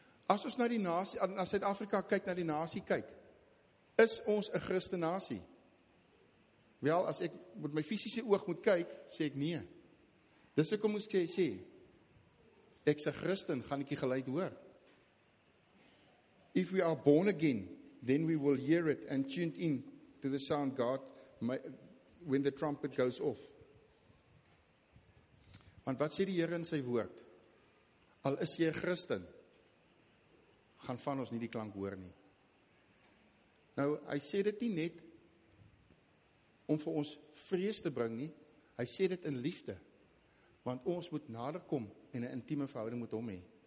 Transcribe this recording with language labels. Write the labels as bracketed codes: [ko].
[af] As ons na die nasie, na Suid-Afrika kyk, na die nasie kyk, is ons 'n Christen nasie? Wel, as ek met my fisiese oog moet kyk, sê ek nee. Dis ek om ons te sê, ek is 'n Christen, gaan ek die geluid hoor. [en] If we are born again, then we will hear it and tune in to the sound God when the trumpet goes off. [af] Want wat sê die Here in sy woord? Al is jy 'n Christen, gaan van ons nie die klank hoor nie. Nou, hy sê dit nie net om vir ons vrees te bring nie, hy sê dit in liefde, want ons moet nader kom en 'n intieme verhouding met hom hê.